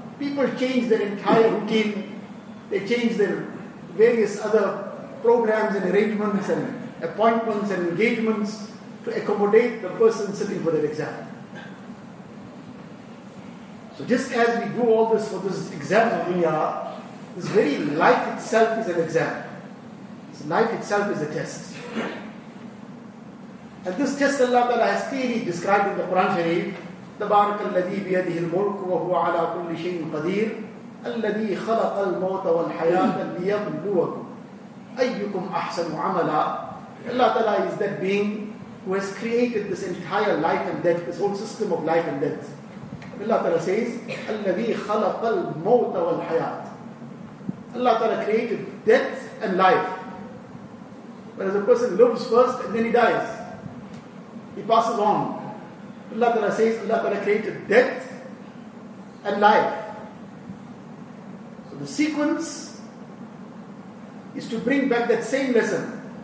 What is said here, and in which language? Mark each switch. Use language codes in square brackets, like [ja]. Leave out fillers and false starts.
[en] People change their entire routine, they change their various other programs and arrangements and appointments and engagements to accommodate the person sitting for their exam. So just as we do all this for this exam of dunya, this very life itself is an exam. This life itself is a test. And this test Allah Ta'ala has clearly described in the Quran Sharif, [ar] تبارك الذي بيده الملك وهو على كل شيء قدير الذي خلق الموت والحياة ليبلوكم أيكم أحسن عملا. [en] Allah Ta'ala is that being who has created this entire life and death, this whole system of life and death. Allah Ta'ala says [ar] الذي خلق الموت والحياة. [en] Allah Ta'ala created death and life. Whereas a person lives first and then he dies, he passes on. Allah Ta'ala says, Allah Ta'ala created death and life. So the sequence is to bring back that same lesson.